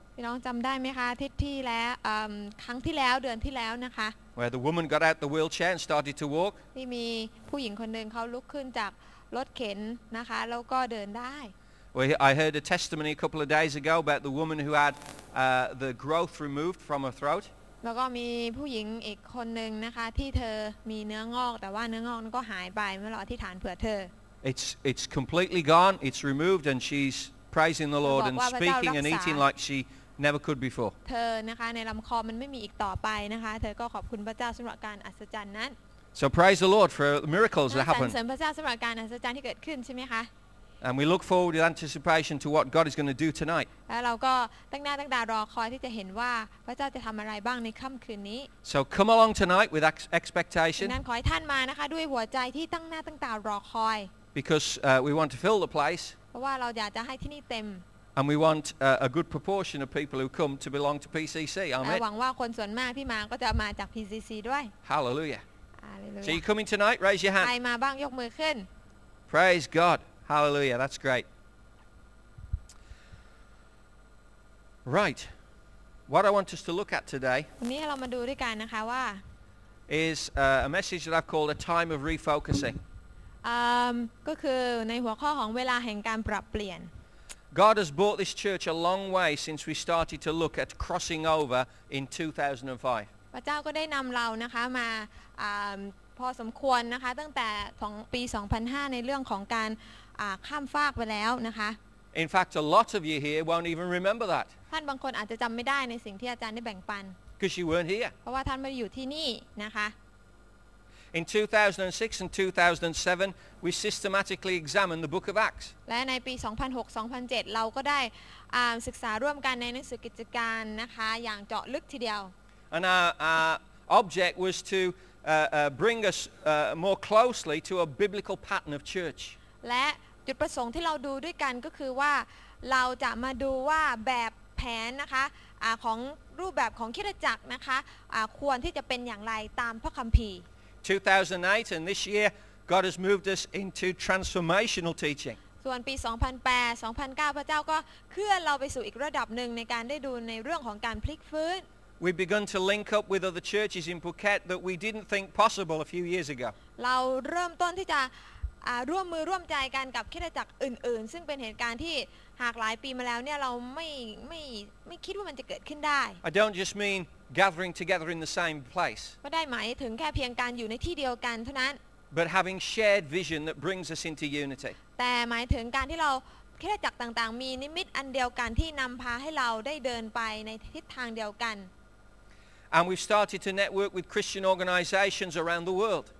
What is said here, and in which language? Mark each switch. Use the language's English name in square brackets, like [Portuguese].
[Thai] พี่น้องจำได้ไหมคะอาทิตย์ที่แล้วครั้งที่แล้วเดือนที่แล้วนะคะ [English] Where the woman got out the wheelchair and started to walk [Thai] ที่มีผู้หญิงคนหนึ่งเขาลุกขึ้นจากรถเข็นนะคะแล้วก็เดินได้ [English] Well I heard a testimony a couple of days ago about the woman who had the growth removed from her throat [Thai] แล้วก็มีผู้หญิงอีกคนหนึ่งนะคะที่เธอมีเนื้องอกแต่ว่าเนื้องอกนั้นก็หายไปเมื่อเราอธิษฐานเผื่อเธอ [English] It's completely gone it's removed and she's praising the Lord and speaking and eating like sheNever could before. [Thai] เธอนะคะในลำคอมันไม่มีอีกต่อไปนะคะเธอก็ขอบคุณพระเจ้าสำหรับการอัศจรรย์นั้น [English] So praise the Lord for the miracles that happened. [Thai] สรรเสริญพระเจ้าสำหรับการอัศจรรย์ที่เกิดขึ้นใช่ไหมคะ [English] And we look forward in anticipation to what God is going to do tonight. [Thai] และเราก็ตั้งหน้าตั้งตารอคอยที่จะเห็นว่าพระเจ้าจะทำอะไรบ้างในค่ำคืนนี้ [English] So come along tonight with expectation. [Thai] นั้นขอให้ท่านมานะคะด้วยหัวใจที่ตั้งหน้าตั้งตารอคอย [English] Because we want to fill the place. [Thai] เพราะว่าเราอยากจะให้ที่นี่เต็ม [English] And we want a good proportion of people who come to belong to PCC. Amen. [Thai] หวังว่าคนส่วนมากที่มาก็จะมาจาก PCC ด้วย [English] Hallelujah. Hallelujah. So you coming tonight? Raise your hand. [Thai] ใครมาบ้างยกมือขึ้น [English] Praise God. Hallelujah. That's great. Right. What I want us to look at today. [Thai] วันนี้เรามาดูด้วยกันนะคะว่า [English] is a message that I've called a time of refocusing. [Thai] ก็คือในหัวข้อของเวลาแห่งการปรับเปลี่ยน [English] God has brought this church a long way since we started to look at crossing over in 2005. [Thai] พระเจ้าก็ได้นำเรานะคะมาพอสมควรนะคะตั้งแต่ของปี2005ในเรื่องของการข้ามฟากไปแล้วนะคะ [English] In fact, a lot of you here won't even remember that. [Thai] ท่านบางคนอาจจะจำไม่ได้ในสิ่งที่อาจารย์ได้แบ่งปัน [English] Because you weren't here. [Thai] เพราะว่าท่านไม่อยู่ที่นี่นะคะ [English] In 2006 and 2007, we systematically examined the Book of Acts. [Thai] และในปี 2006-2007 เราก็ได้ศึกษาร่วมกันในหนังสือกิจการนะคะอย่างเจาะลึกทีเดียว [English] And our object was to bring us more closely to a biblical pattern of church. [Thai] และจุดประสงค์ที่เราดูด้วยกันก็คือว่าเราจะมาดูว่าแบบแผนนะคะของรูปแบบของคริสตจักรนะคะควรที่จะเป็นอย่างไรตามพระคัมภีร์ [English] 2008 and this year God has moved us into transformational teaching. [Thai] ส่วนปี 2008 2009 พระเจ้าก็เคลื่อนเราไปสู่อีกระดับหนึ่งในการได้ดูในเรื่องของการพลิกฟื้น [English] We began to link up with other churches in Phuket that we didn't think possible a few years ago. [Thai] เราเริ่มต้นที่จะร่วมมือร่วมใจกันกับคริสตจักรอื่นๆซึ่งเป็นเหตุการณ์ที่หากหลายปีมาแล้วเนี่ยเราไม่คิดว่ามันจะเกิดขึ้นได้ [English] I don't just meangathering together in the same place [Thai] ก็ได้หมายถึงแค่เพียงการอยู่ในที่เดียวกันเท่านั้น [English] but having shared vision that brings us into unity [Thai] แต่หมายถึงการที่เราคริสตจักรต่างๆมีนิมิตอันเดียวกันที่นำพาให้เราได้เดินไปในทิศทางเดียวกัน [English] and we've started to network with Christian organizations around the world